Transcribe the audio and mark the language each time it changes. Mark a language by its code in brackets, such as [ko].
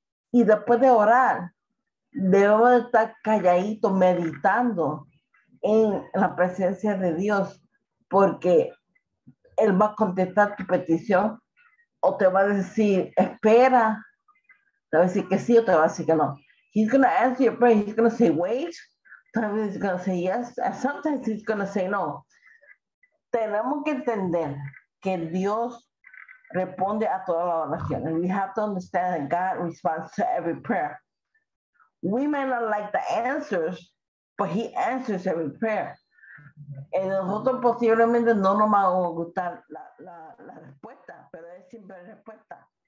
[es] Y después de orar, debemos estar calladitos, meditando en la presencia de Dios, porque él va a contestar tu petición o te va a decir, espera, te va a decir que sí o te va a decir que no. [en] He's going to answer your prayer. He's going to say, wait. Sometimes he's going to say yes. And sometimes he's going to say no. [es] Tenemos que entender que Dios responde a todas las oraciones. [en] We have to understand that God responds to every prayer. We may not like the answers, but he answers every prayer. [es] Y nosotros posiblemente no nos va a gustar la respuesta, pero es siempre la respuesta.